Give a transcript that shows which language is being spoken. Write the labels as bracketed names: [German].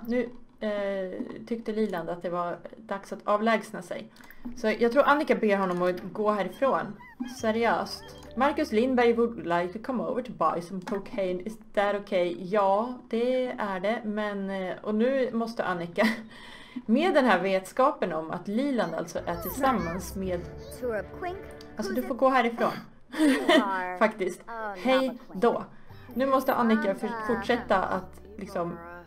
[Swedish] Nu tyckte Leland att det var dags att avlägsna sig. Så jag tror Annika ber honom att gå härifrån. Seriöst. [English] Marcus Lindberg would like to come over to buy some cocaine. Is that okay? [Swedish] Ja, det är det. Men, och nu måste Annika, med den här vetskapen om att Leland alltså är tillsammans med... Alltså du får gå härifrån. Faktiskt. Hej då. Nu måste Annika fortsätta att liksom